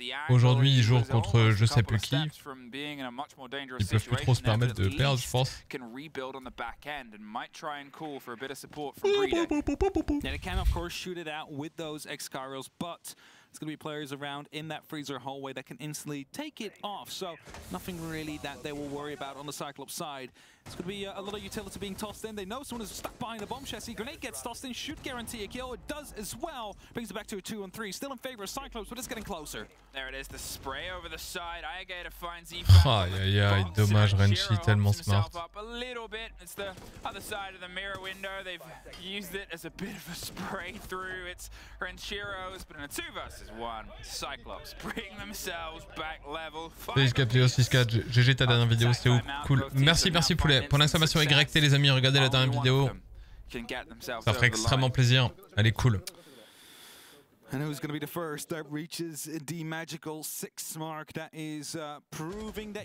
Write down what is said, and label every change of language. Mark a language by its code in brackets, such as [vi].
[fr] Aujourd'hui, il joue contre je sais plus qui. Ils peuvent plus trop se permettre de perdre, je pense. [en] Can rebuild on the back end and might try and call for a bit of support from Breeder. And it can of course shoot it out with those Excarios, but it's going to be players around in that freezer hallway that can instantly take it off. So nothing really that they will worry about on the Cyclops side. It's going to be a lot of utility being tossed in. They know someone is stuck behind the bomb chassis. Grenade gets tossed in. Should guarantee a kill. It does as well. Brings it back to a 2-on-3. Still in favor of Cyclops, but it's getting closer. There it is. The spray over the side. Iagata finds E5. Yeah, yeah. [fr] Dommage, Renchi. Tellement smart. [en] A little bit. It's the other side of the mirror window. They've used it as a bit of a spray through. It's Renchiro's. But in a 2-versus-1, Cyclops bring themselves back level. [fr] GG ta dernière vidéo. C'était cool. Merci pour pour l'exclamation YT les amis, regardez la dernière vidéo, ça ferait extrêmement plaisir, elle est cool. [en] And who's going to be the first that reaches the magical six mark that is proving that